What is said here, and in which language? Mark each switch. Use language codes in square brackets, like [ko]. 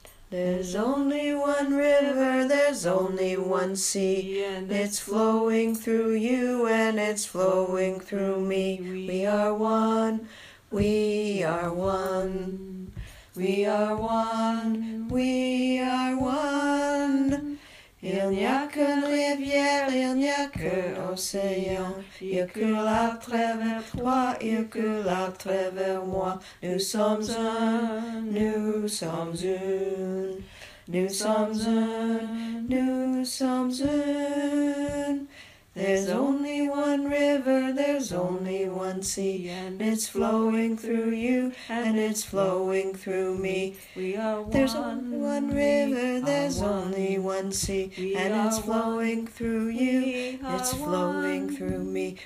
[en] There's only one river, there's only one sea, and it's flowing through you and it's flowing through me. We are one, we are one, we are one, we are one. [fr] Il n'y a qu'une rivière, il n'y a qu'un océan. Il coule à travers toi, il coule à travers moi. Nous sommes un, nous sommes une. Nous sommes un, nous sommes une. [en] There's only one river, there's only one sea, and it's flowing through you, and it's flowing through me. There's only one river, there's only one sea, and it's flowing through you, it's flowing through me.